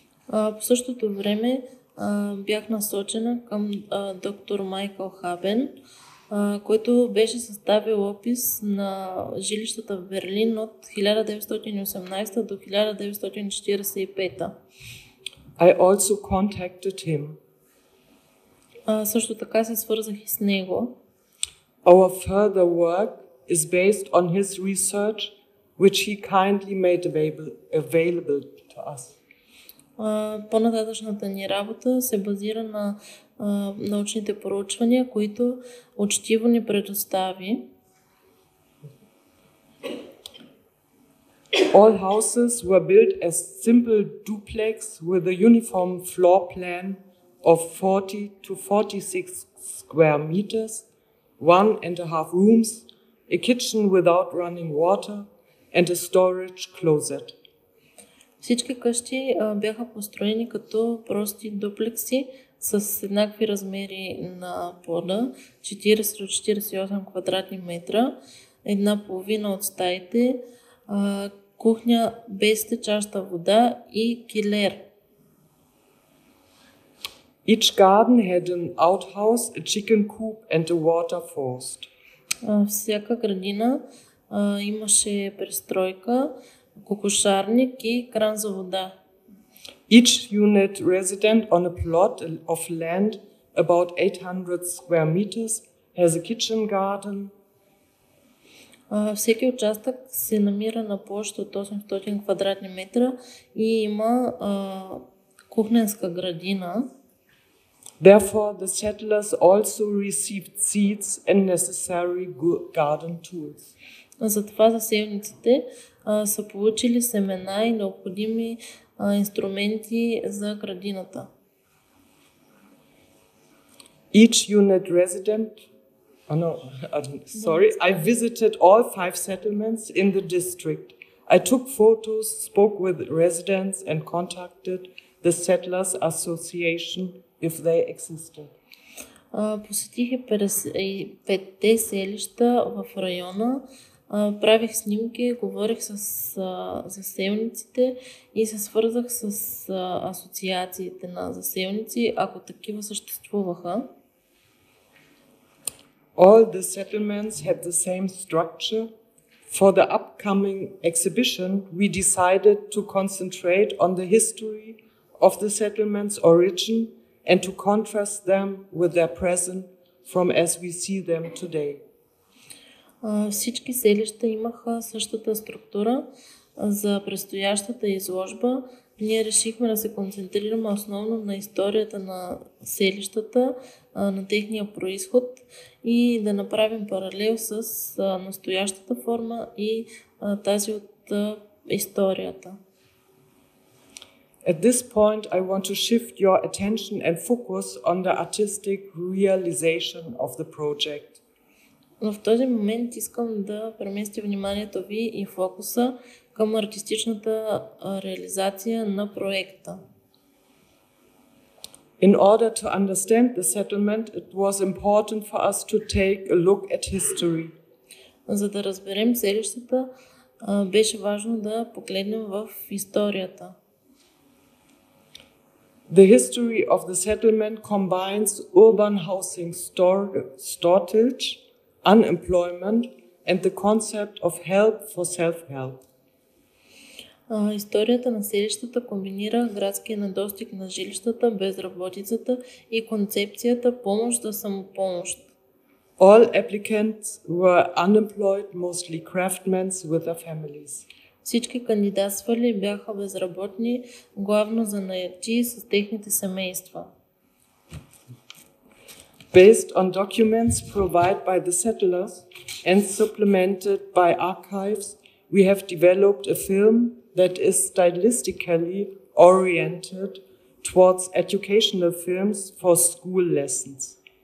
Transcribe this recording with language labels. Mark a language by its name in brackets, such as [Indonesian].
[Bulgarian] По същото време бях насочена към доктор Майкъл Хабен, който беше съставил опис на жилищата в Берлин от 1918 до 1945. [English] I also contacted him. [Bulgarian] Също така се свързах и с него. [English] Our further work is based on his research, which he kindly made available to us. [Bulgarian] По-нататъчната ни работа се базира на научните проучвания, които учтиво ни предостави. [English] All houses were built as simple duplex with a uniform floor plan of 40 to 46 square meters, 1.5 rooms, a kitchen without running water and a storage closet. [Bulgarian] Всички къщи бяха построени като прости дуплекси с еднакви размери на пода, 40 до 48 квадратни метра, една половина от стаите, кухня без течаща вода и килер. [English] Each garden had an outhouse, a chicken coop and a water forest. [Bulgarian] Всяка градина имаше пристройка, кокошарник и кран за вода. [English] Each unit resident on a plot of land about 800 square meters has a kitchen garden. [Bulgarian] Всеки участък се намира на площ от 800 квадратни метра и има кухненска градина. [English] Therefore, the settlers also received seeds and necessary garden tools. [Bulgarian] Затова заселниците са получили семена и необходими инструменти за градината. [English] Each unit resident, I visited all 5 settlements in the district. I took photos, spoke with residents and contacted the settlers association if they existed. [Bulgarian] Посетих 5-те селища в района. Правих снимки, говорих с заселниците и се свързах с асоциациите на заселници, ако такива съществуваха. [English] All the settlements had the same structure. For the upcoming exhibition, we decided to concentrate on the history of the settlements' origin and to contrast them with their present from as we see them today. [Bulgarian] Всички селища имаха същата структура. За предстоящата изложба ние решихме да се концентрираме основно на историята на селищата, на техния произход и да направим паралел с настоящата форма и тази от историята. [English] At this point I want to shift your attention and focus on the artistic realization of the project. [Bulgarian] Но в този момент искам да преместя вниманието ви и фокуса към артистичната реализация на проекта. [English] In order to understand the settlement, it was important for us to take a look at history. [Bulgarian] За да разберем селищата, беше важно да погледнем в историята. [English] The history of the settlement combines urban housing shortage, unemployment and the concept of help for self-help. [Bulgarian] Историята на селищата комбинира градския недостиг на жилищата, безработицата и концепцията помощ за самопомощ. [English] All applicants were unemployed, mostly craftsmen with their families. [Bulgarian] Всички кандидатствали бяха безработни, главно занаяти с техните семейства. [English] Based on documents provided by the settlers and supplemented by archives, we have developed a film that is stylistically oriented towards educational films for school lessons.